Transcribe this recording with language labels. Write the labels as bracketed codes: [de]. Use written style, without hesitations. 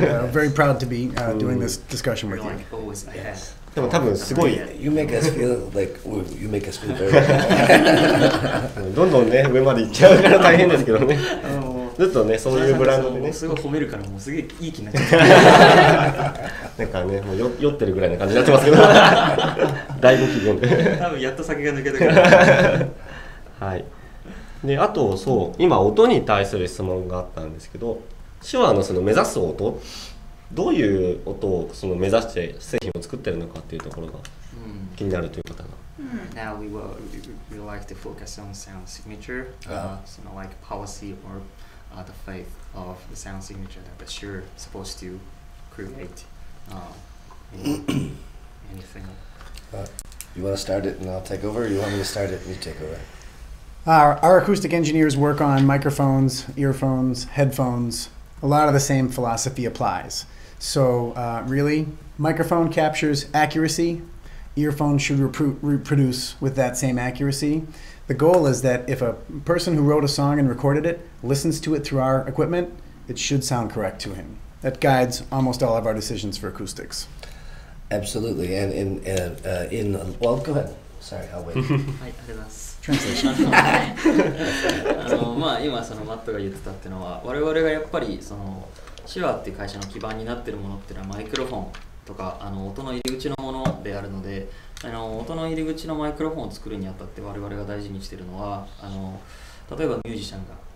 [en] Very proud to be doing this discussion with you. [ja] でも多分すごい。 [en] You make us feel like you make us feel very. [ja] どんどんね上まで行っちゃうから大変ですけどね。ずっとねそういうブランドでね。すごい褒めるからもうすげえいい気になっちゃう。なんかねもう酔ってるぐらいな感じになってますけど。だいぶ気分。多分やっと酒が抜けたから。はい。であとそう今音に対する質問があったんですけど手話 の、 その目指す音どういう音をその目指して製品を作ってるのかっていうところが気になるという方が、 mm. [en] Now we will we like to focus on sound signature、so like policy or、the faith of the sound signature that the sure supposed to create、anything、 you want to start it and I'll take over or you want me to start it and you take over Our acoustic engineers work on microphones, earphones, headphones. A lot of the same philosophy applies. So, really, microphone captures accuracy. Earphones should reproduce with that same accuracy. The goal is that if a person who wrote a song and recorded it listens to it through our equipment, it should sound correct to him. That guides almost all of our decisions for acoustics. Absolutely. And in well, go ahead. Sorry, I'll wait. [ja] はい、ありがとうございます。まあ、今そのマットが言ってたっていうのは我々がやっぱりそのシュアっていう会社の基盤になってるものっていうのはマイクロフォンとかあの音の入り口のものであるのであの音の入り口のマイクロフォンを作るにあたって我々が大事にしてるのはあの例えばミュージシャンが、